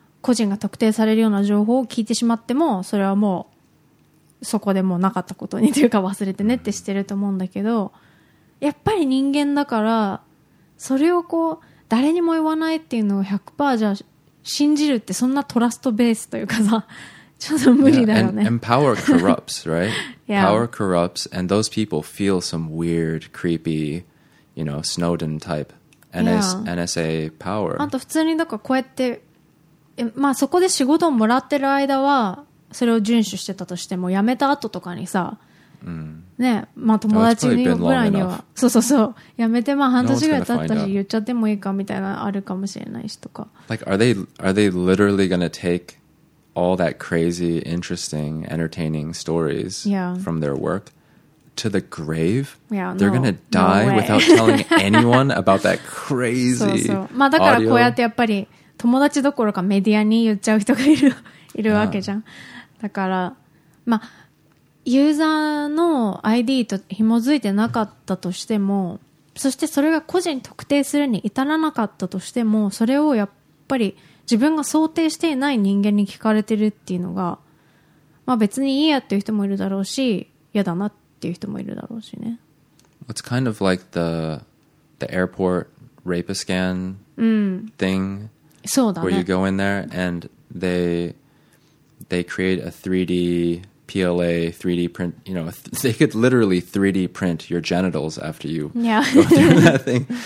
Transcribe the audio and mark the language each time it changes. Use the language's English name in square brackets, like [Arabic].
[Japanese] 個人が特定されるような情報を聞いてしまってもそれはもうそこでもうなかったことにというか忘れてねってしてると思うんだけどやっぱり人間だからそれをこう誰にも言わないっていうのを 100% じゃ信じるってそんなトラストベースというかさちょっと無理だよね。 [English] Yeah, and power corrupts, right? Yeah. Power corrupts, and those people feel some weird, creepy, you know, Snowden type NSA power. [Japanese] あと普通にだからこうやって、まあそこで仕事をもらってる間は、それを遵守してたとしても、辞めた後とかにさ、ね、まあ友達にぐらいには、そうそうそう、辞めてまあ半年ぐらい経ったし、言っちゃってもいいかみたいなあるかもしれないしとか。 [English] Like, are they literally gonna take... all that crazy, interesting, entertaining stories from their work to the grave? Yeah, they're going to die without telling anyone about that crazy audio? [Japanese] まあだからこうやってやっぱり友達どころかメディアに言っちゃう人がいるわけじゃん。だから、まあ、ユーザーの ID と紐づいてなかったとしても、そしてそれが個人特定するに至らなかったとしても、それをやっぱり自分が想定していない人間に聞かれてるっていうのが、まあ別にいいやっていう人もいるだろうし、嫌だなっていう人もいるだろうしね。 [English] It's kind of like the airport rape scan thing. [Japanese] そうだね。 [English] Where you go in there and they create a 3D PLA, 3D print, you know, they could literally 3D print your genitals after you go through that thing.